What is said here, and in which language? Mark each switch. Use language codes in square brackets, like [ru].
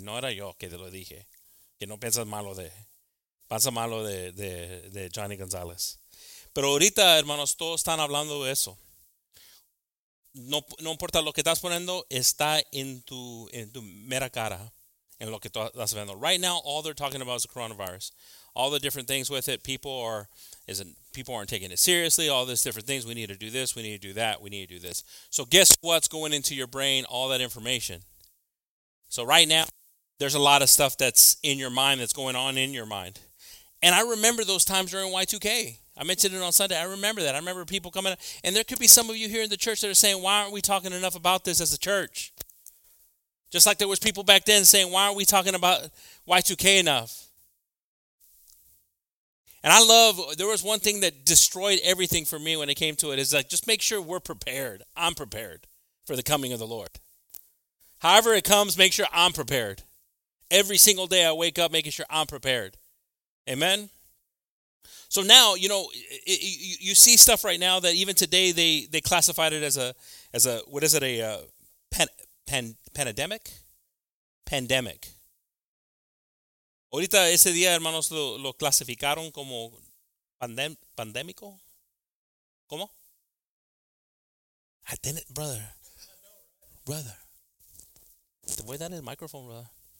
[es] No era yo que te lo dije. Que no piensas malo de... Pasa malo de Johnny González. Pero ahorita, hermanos, todos están hablando de eso. No importa lo que estás poniendo, está en tu mera cara. En lo que estás viendo. [en] Right now, all they're talking about is the coronavirus. All the different things with it. People aren't taking it seriously. All these different things. We need to do this. We need to do that. We need to do this. So guess what's going into your brain? All that information. So right now, there's a lot of stuff that's in your mind, that's going on in your mind. And I remember those times during Y2K. I mentioned it on Sunday. I remember that. I remember people coming up. And there could be some of you here in the church that are saying, why aren't we talking enough about this as a church? Just like there was people back then saying, why aren't we talking about Y2K enough? And I love, there was one thing that destroyed everything for me when it came to it. Is like, just make sure we're prepared. I'm prepared for the coming of the Lord. However it comes, make sure I'm prepared. Every single day I wake up making sure I'm prepared. Amen? So now, you know, you see stuff right now that even today they classified it as a, what is it, pandemic? Pandemic. [es] Ahorita ese día, hermanos, lo clasificaron como pandémico. ¿Cómo? [en] I didn't, brother. Brother. [es] Te voy a dar el micrófono, brother.